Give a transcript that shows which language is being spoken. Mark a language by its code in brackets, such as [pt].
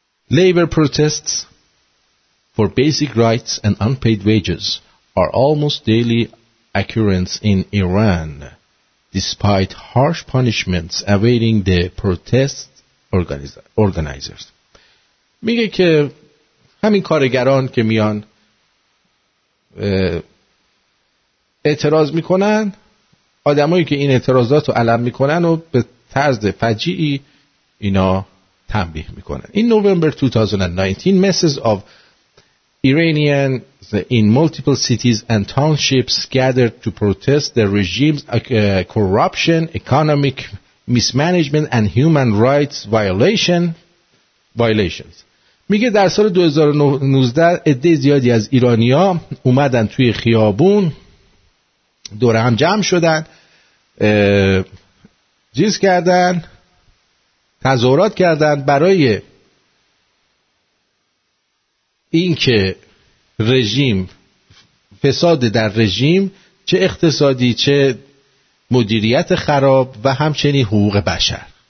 [en] Labor protests for basic rights and unpaid wages are almost daily occurrence in Iran despite harsh punishments awaiting the protest organizers. [fa] میگه که همین کارگران که میان اعتراض میکنن، آدمایی که این اعتراضات رو علم میکنن و به طرز فجیعی اینا تنبیه میکنن. این نوامبر 2019 [en] masses of Iranians in multiple cities and townships gathered to protest the regime's corruption, economic mismanagement and human rights violations. [fa] میگه در سال 2019 عده زیادی از ایرانی ها اومدن توی خیابون، دوره هم جمع شدن، جیز کردن، تظاهرات کردن برای اینکه رژیم، فساد در رژیم، چه اقتصادی، چه مدیریت خراب و همچنین حقوق بشر.